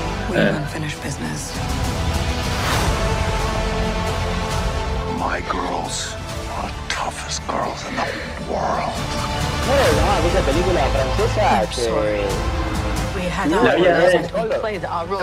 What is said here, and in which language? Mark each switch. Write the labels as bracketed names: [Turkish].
[English] We have unfinished business. My girls are the toughest girls in the world. [Spanish] Bueno, no, esa película francesa. [English] Sorry. We had our rules and we played our rules.